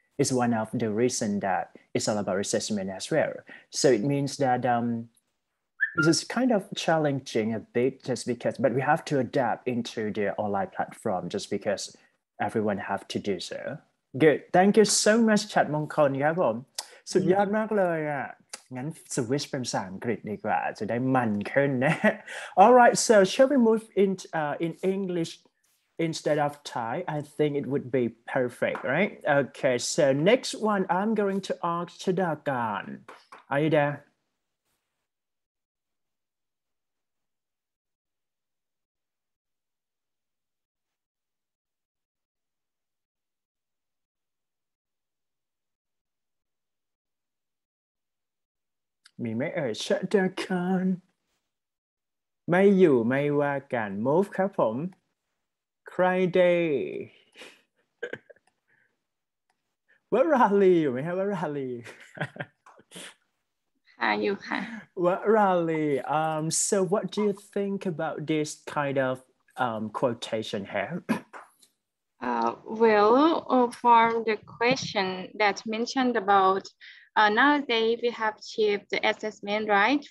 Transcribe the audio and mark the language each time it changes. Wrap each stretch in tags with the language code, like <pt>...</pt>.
<en>It's one of the reason that it's all about assessment as well. So it means that this is kind of challenging a bit just because, but we have to adapt into the online platform just because everyone have to do so. Good, thank you so much, Chat Mongkol.</en> <th>ครับผม สุดยอดมากเลยอ่ะ งั้น switch เป็นภาษาอังกฤษดีกว่าจะได้มันขึ้นนะ</th> <en>All right, so shall we move in English instead of Thai? I think it would be perfect, right? Okay, so next one, I'm going to ask Chadakan. Are you there?</en> <th>มีไหมชัดเจนไม่อยู่ไม่ว่ากัน move ครับผม Friday Warali อยู่ไหมครับ Warali ค่ะอยู่ค่ะ</th> <en>Warali so what do you think about this kind of quotation here well from the question that mentioned aboutnowadays, we have achieved the assessment, right?</en>